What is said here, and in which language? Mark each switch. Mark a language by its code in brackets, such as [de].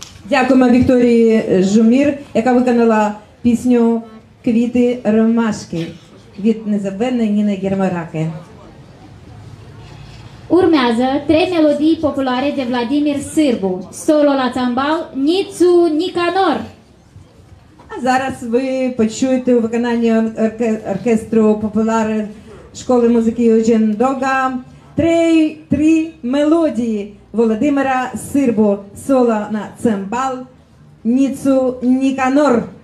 [uk] Дякуємо Вікторії Жумір, яка виконала пісню «Квіти ромашки» від незабвенної Ніни Єрмураки. [ro] Urmează trei melodii populare de Vladimir Sârbu. [uk] Соло на цимбал «Ніцу Ніканор». А зараз ви почуєте у виконанні оркестру популярної школи музики Юджин Дога три мелодії Володимира Сирбу, соло на цимбал «Ніцу Ніканор».